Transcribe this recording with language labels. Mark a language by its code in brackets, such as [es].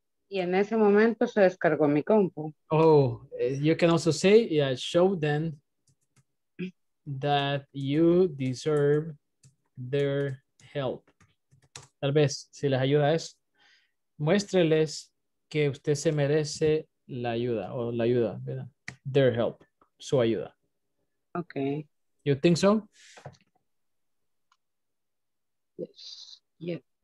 [es] Y en ese momento se descargó mi compu. [en] Oh, you can also say, yeah, show them that you deserve their help. [es] Tal vez, si les ayuda es, muéstreles que usted se merece la ayuda, o la ayuda, ¿verdad? [en] Their help, [es] su ayuda. [en] Okay. You think so? Yes. Yeah.